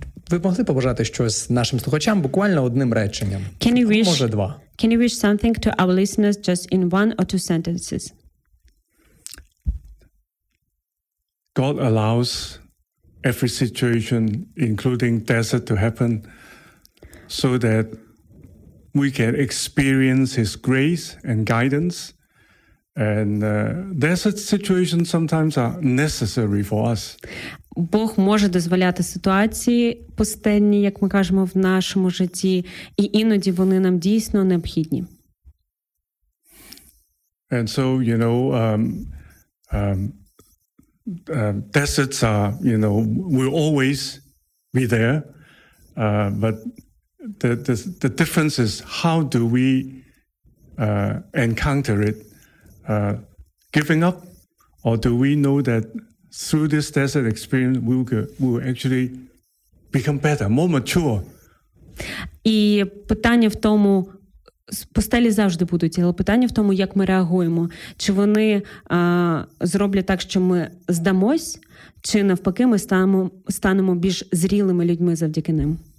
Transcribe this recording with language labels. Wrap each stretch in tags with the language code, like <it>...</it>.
<uk>Ви могли побажати щось нашим слухачам буквально одним реченням?</uk> <en>Can you wish,</en> <uk>може, два.</uk> <en>Can you wish something to our listeners just in one or two sentences? God allows every situation, including desert, to happen so that we can experience His grace and guidance. And desert situations sometimes are necessary for us.</en> <uk>Бог може дозволяти ситуації пустельні, як ми кажемо, в нашому житті, і іноді вони нам дійсно необхідні.</uk> <en>And so, you know, deserts are, you know, will always be there, but the difference is how do we encounter it? Giving up, or do we know that through this desert experience we will actually become better, more mature?</en> <uk>І питання в тому, пустелі завжди будуть, але питання в тому, як ми реагуємо. Чи вони зроблять так, що ми здамось, чи навпаки ми станемо більш зрілими людьми завдяки ним?</uk>